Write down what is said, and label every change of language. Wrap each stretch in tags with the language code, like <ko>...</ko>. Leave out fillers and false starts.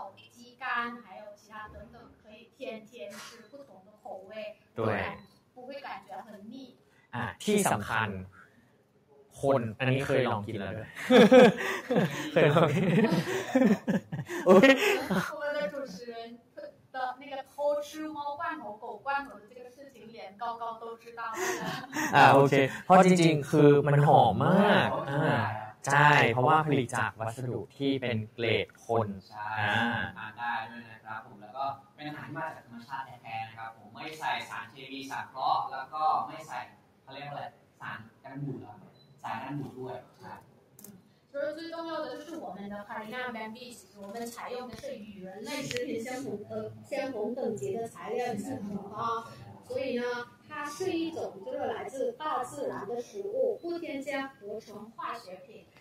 <zh>鸡肝还有其他等等可以天天吃不同的口味对不会感觉很腻</zh> <th>ที่สำคัญคนอันนี้เคยลองกินแล้วด้วยเคยลองกินโอเ</th> <zh>ค我们的主持人的那个偷吃猫罐头狗罐头的这个高高都知道</zh> <th>โอเคเพราะจริงๆคือมันหอมมากใช่เพราะว่าผลิตจากวัสดุที่เป็นเกรดคน ใช่ได้ด้วยนะครับผมแล้วก็เป็นอาหารมาจากธรรมชาติแท้ๆนะครับผมไม่ใส่สารเคมีสารเคราะห์แล้วก็ไม่ใส่เขาเรียกว่าอะไรสารกันบูดด้วย ใช่ส่วนเรื่องของ</th> <zh>就是最重要的是我们的 Carina Bambi， 我们采用的是与人类食品相同等级的材料制成啊，所以呢，它是一种就是来自大自然的食物，不添加合成化学品。</zh>